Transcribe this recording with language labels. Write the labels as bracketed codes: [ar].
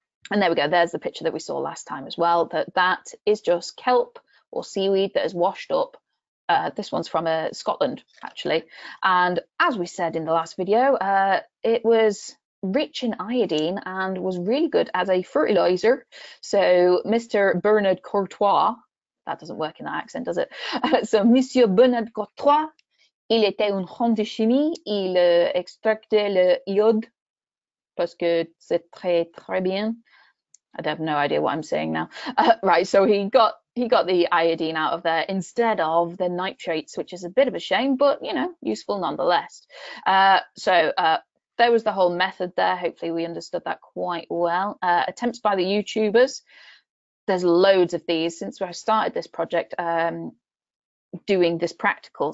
[en] And there we go, there's the picture that we saw last time as well, that is just kelp or seaweed that has washed up. This one's from Scotland actually, and as we said in the last video, it was rich in iodine and was really good as a fertilizer. So Mr. Bernard Courtois, that doesn't work in that accent, does it? [fr] So Monsieur Bernard Courtois, il était un homme de chimie, il extractait le iode, parce que c'est très, très bien. [en] I have no idea what I'm saying now. Right, so he got the iodine out of there instead of the nitrates, which is a bit of a shame, but, you know, useful nonetheless. There was the whole method there. Hopefully we understood that quite well. Attempts by the YouTubers. There's loads of these since I started this project doing this practical.